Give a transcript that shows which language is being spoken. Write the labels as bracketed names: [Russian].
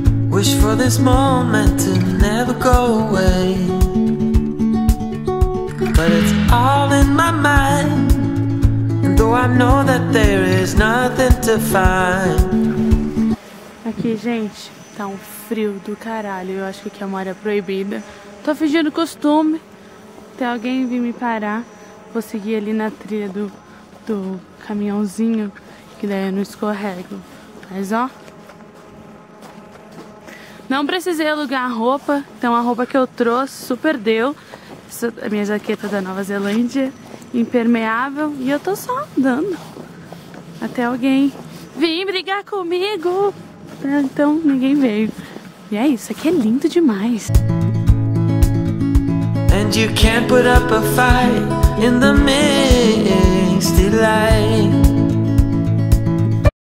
[English] Wish for this moment to never go away. But it's all in my mind. And though I know that there is nothing to find. [Portuguese] Aqui, gente. Tá um frio do caralho, eu acho que aqui é uma área proibida. Tô fingindo costume, até alguém vir me parar. Vou seguir ali na trilha do caminhãozinho, que daí eu não escorrego. Mas ó, não precisei alugar a roupa, então a roupa que eu trouxe super deu. Essa é a minha jaqueta da Nova Zelândia, impermeável. E eu tô só andando, até alguém vir brigar comigo. Então ninguém veio. E é isso, aqui é lindo demais. [English] And you can't put up a fight in the midst of light.